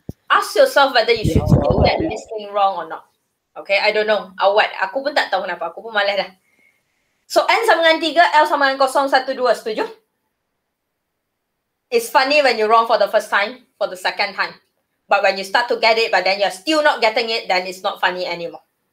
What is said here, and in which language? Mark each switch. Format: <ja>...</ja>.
<en>Ask yourself whether you should do that this thing wrong or not.</en> <ms>Okay,</ms> <en>I don't know.</en> <ms>Awat. Aku pun tak tahu kenapa. Aku pun malas lah. So, N sama dengan 3, L sama dengan 0, 1, 2. Setuju?</ms> <en>It's funny when you're wrong for the first time, for the second time. But when you start to get it, but then you're still not getting it, then it's not funny anymore.</en>